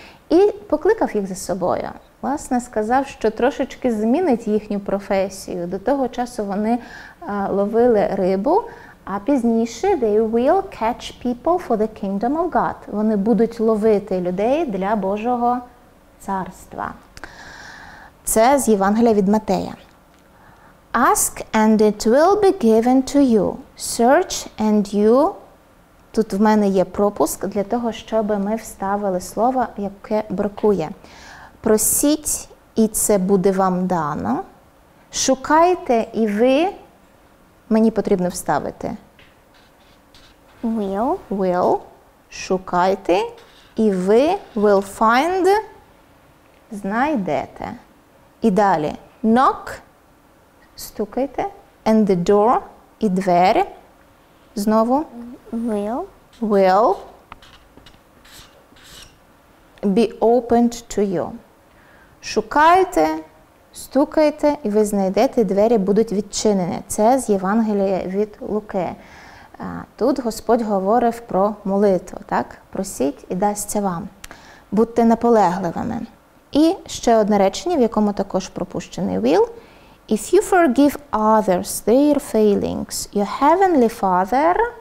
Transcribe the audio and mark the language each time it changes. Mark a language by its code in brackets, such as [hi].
[uk] і покликав їх за собою. Власне, сказав, що трошечки змінить їхню професію. До того часу вони ловили рибу, а пізніше [en] they will catch people for the kingdom of God. [uk] Вони будуть ловити людей для Божого царства. Це з Євангелія від Матея. [en] Ask and it will be given to you. Search and you. [uk] Тут в мене є пропуск для того, щоб ми вставили слово, яке бракує. Просіть, і це буде вам дано. Шукайте, і ви. Мені потрібно вставити. [en] Will. Will. [uk] Шукайте, і ви [en] will find. [uk] Знайдете. І далі. [en] Knock. [uk] Стукайте. [en] And the door. [uk] І двері. Знову. [en] Will. Will. Be opened to you. [uk] Шукайте, стукайте, і ви знайдете, двері будуть відчинені. Це з Євангелія від Луки. Тут Господь говорив про молитву, так? Просіть і дасться вам. Будьте наполегливими. І ще одне речення, в якому також пропущений will. [en] If you forgive others their failings, your heavenly Father